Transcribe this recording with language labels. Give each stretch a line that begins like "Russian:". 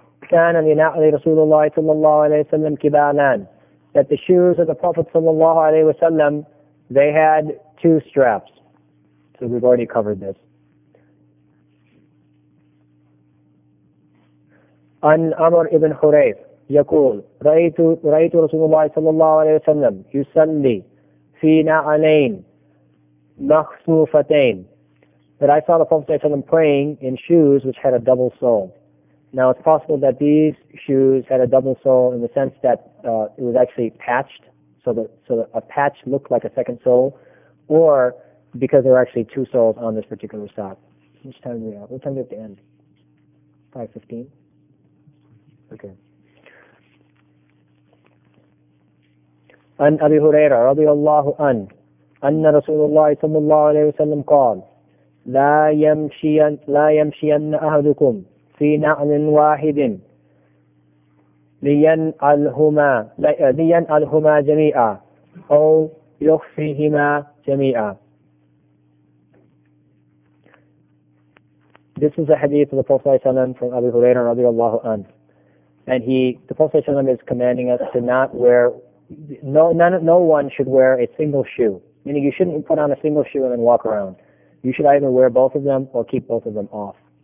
Arabic: كان لنعل رسول الله صلى الله عليه وسلم كبانان.
English: That the shoes of the Prophet صلى الله عليه وسلم, they had two straps. So we've already covered this.
Arabic: عن أمر ابن حريث يقول رأيت رسول الله صلى الله عليه وسلم يصلي في نعلين مخصوفتين.
English: That I saw the Prophet صلى الله عليه وسلم praying in shoes which had a double sole. Now, it's possible that these shoes had a double sole in the sense that it was actually patched, so that a patch looked like a second sole, or because there were actually two soles on this particular sock. Which time do we have? What time do we have to end? 5:15? Okay.
Arabic: An Abi Huraira radiallahu an, anna Rasulullah sallallahu alayhi wa sallam qal, la yamshiyan ahadukum. في نعل واحد لينعلهما جميعا أو يخفيهما جميعا.
English: This is a hadith of the Prophet ﷺ from Abu Hurairah رضي الله عنه. And the Prophet ﷺ is commanding us to not wear, no one should wear a single shoe. Meaning you shouldn't put on a single shoe and then walk around. You should either wear both of them or keep both of them off.